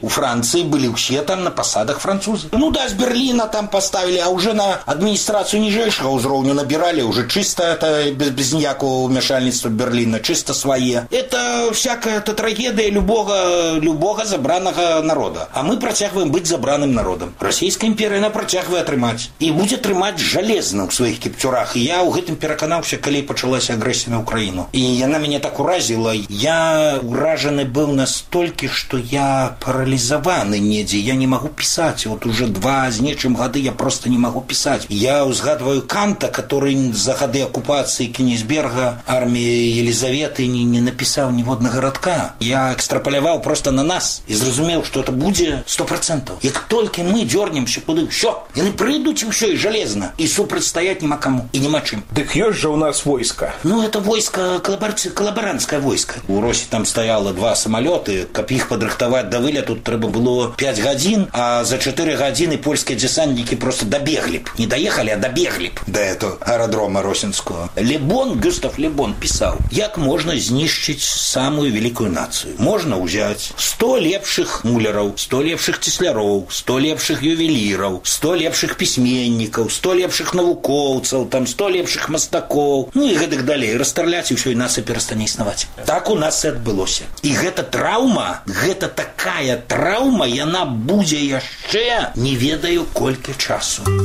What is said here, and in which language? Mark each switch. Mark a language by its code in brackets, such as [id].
[ru] У Франции были все там на посадах французы. Ну да, с Берлина там поставили, а уже на администрацию нижайшего узровня набирали. Уже чисто это, без ниякого вмешательства Берлина, чисто свои. Это всякая это трагедия любого забранного народа. А мы протягиваем быть забранным народом. Российская империя, она протягивает трымать. И будет трымать железно в своих кипцюрах. [be] И я у гэтым пераканаўся, калі почалась агрэсія на Украину. [ru] И она меня так уразила. Я уражены был настолько, что я парализованы недзе. Я не могу писать. Вот уже два с нечем года я просто не могу писать. Я узгадываю Канта, который за годы оккупации Кенигсберга, армии Елизаветы не написал ни водного родка. Я экстраполявал просто на нас и зразумел, что это будет 100%. Як только мы дернемся куды, все, они прыйдуць все, и железно. И супрацьстаяць нема кому, и нема чым. [be] Дык ёсць же у нас войска. [ru] Ну, это войска, коллаборантское войска. [be] У Росі там стояло два самолеты, каб их падрыхтаваць да вылету, трэба было 5 гадзін, а за 4 гадзіны польскія десантники просто добегли б. [ru] Не доехали, а добегли б до этого аэродрома Росінского. Лебон, Гюстав Лебон писал, як можно знищить самую великую нацию. Можно взять 100 лепших муляров, 100 лепших тесляров, 100 лепших ювелиров, 100 лепших письменников, 100 лепших навуковцев, там 100 лепших мастаков, ну и гэтак далее. Расстрелять, и все, и нация перестанет існаваць. Так у нас и отбылося. [be] И гэта травма, гэта такая травма, и она будзе яшчэ не ведаю колькі часу.